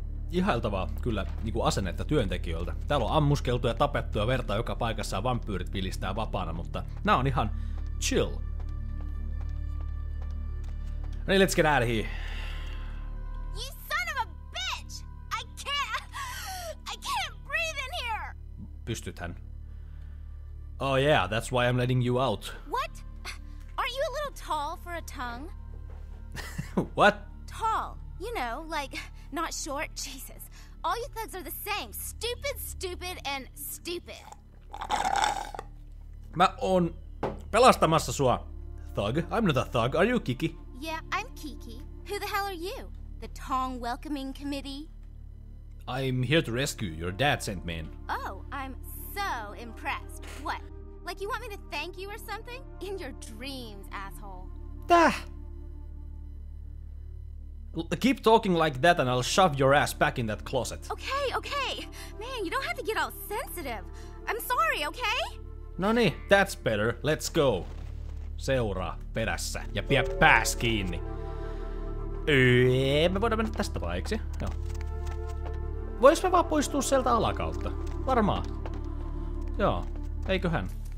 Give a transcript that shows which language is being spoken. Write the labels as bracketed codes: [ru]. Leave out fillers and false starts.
[fi] Ihailtavaa kyllä niin kuin asennetta työntekijöiltä. Täällä on ammuskeltu ja tapettu ja verta joka paikassa ja vampyyrit vilistää vapaana, mutta nää on ihan chill. No niin, [en] let's get out of here. You son of a bitch! I can't breathe in here! [fi] Pystythän. [en] Oh yeah, that's why I'm letting you out. What? Are you a little tall for a tongue? What? Tall, you know, like... Not short, Jesus. All you thugs are the same. Stupid, stupid, and stupid. [fi] Mä oon pelastamassa sua. [en] Thug? I'm not a thug. Are you Kiki? Yeah, I'm Kiki. Who the hell are you? The Tong Welcoming Committee? I'm here to rescue. Your dad sent me in. Oh, I'm so impressed. What? Like you want me to thank you or something? In your dreams, asshole. [fi] Täh! [en] Keep talking like that and I'll shove your ass back in that closet. Okay, okay. Man, you don't have to get all sensitive. I'm sorry, okay? [fi] No niin, [en] that's better. Let's go. [fi] Seuraa perässä ja pidä pääs kiinni. Me voidaan mennä tästä paikaksi. Joo. Vois me vaan poistua sieltä alakautta. Varmaan. Joo, eiköhän.